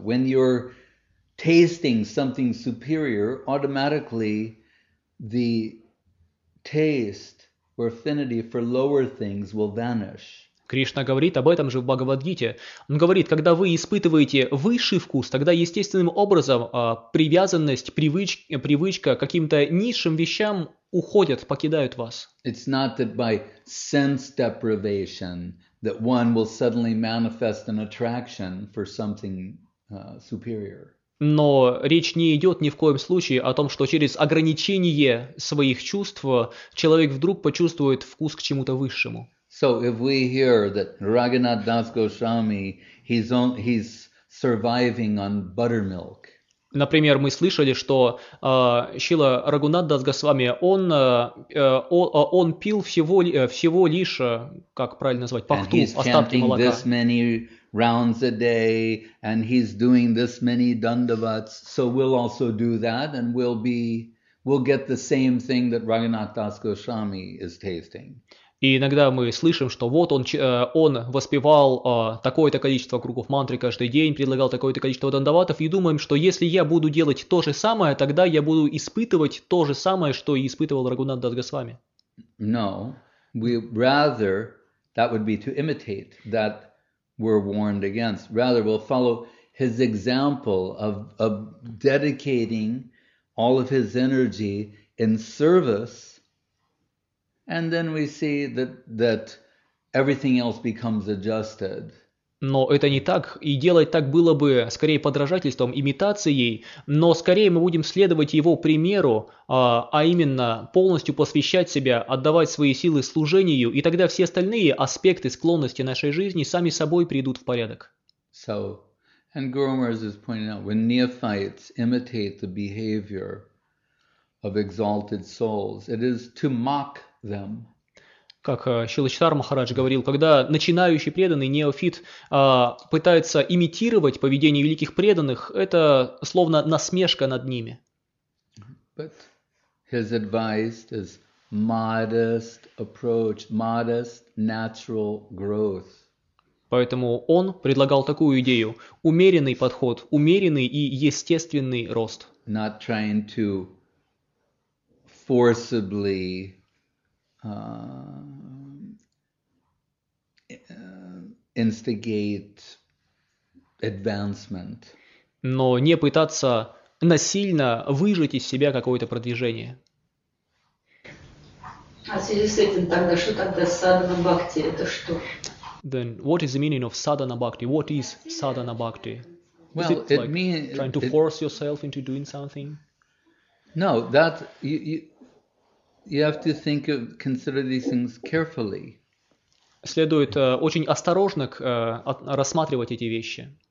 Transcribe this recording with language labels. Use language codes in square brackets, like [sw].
[en] When you're tasting something superior, automatically the taste or affinity for lower things will vanish. [ru] К Кришна говорит об этом же в Бхагавадгите. Он говорит, когда вы испытываете высший вкус, тогда естественным образом привязанность, привычка к каким-то низшим вещам уходят, покидают вас. [en] It's not that by sense deprivation that one will suddenly manifest an attraction for something superior. [ru] Но речь не идет ни в коем случае о том, что через ограничение своих чувств человек вдруг почувствует вкус к чему-то высшему. [en] So if we hear that Raghunath Das Goswami, he's surviving on buttermilk. [ru] Например, мы слышали, что Шрила Рагхунат Дас Госвами, он пил всего лишь, как правильно назвать, пахту, остатки молока. [en] This many rounds a day, and he's doing this many dandavats, so we'll also do that, and we'll get the same thing that Raghunath Das Goswami is tasting. [ru] И иногда мы слышим, что вот он воспевал такое-то количество кругов мантры каждый день, предлагал такое-то количество дандаватов, и думаем, что если я буду делать то же самое, тогда я буду испытывать то же самое, что и испытывал Рагхунат Дас Госвами. [en] No, we rather, that would be to imitate that we're warned against. Rather, we'll follow his example of dedicating all of his energy in service. And then we see that everything else becomes adjusted. [ru] Но это не так, и делать так было бы скорее подражательством, имитацией, но скорее мы будем следовать его примеру, а именно полностью посвящать себя, отдавать свои силы служению, и тогда все остальные аспекты склонности нашей жизни сами собой придут в порядок. [en] So, and Guru Maharaj is pointing out, when neophytes imitate the behavior of exalted souls, it is to mock them. [ru] Как Шрила Чатар Махарадж говорил, когда начинающий преданный, неофит, пытается имитировать поведение великих преданных, это словно насмешка над ними. [en] But his advice is modest approach, modest natural growth. [ru] Поэтому он предлагал такую идею – умеренный подход, умеренный и естественный рост. [en] Not trying to forcibly instigate advancement. [ru] Но не пытаться насильно выжать из себя какое-то продвижение. А в связи с этим тогда, что тогда садхана бхакти, это что? [en] Then what is the meaning of sadhana bhakti? What is sadhana bhakti? Well, is it like mean, trying to force yourself into doing something? No, that you have to think of, consider these things carefully. [ru] Следует очень осторожно рассматривать эти вещи.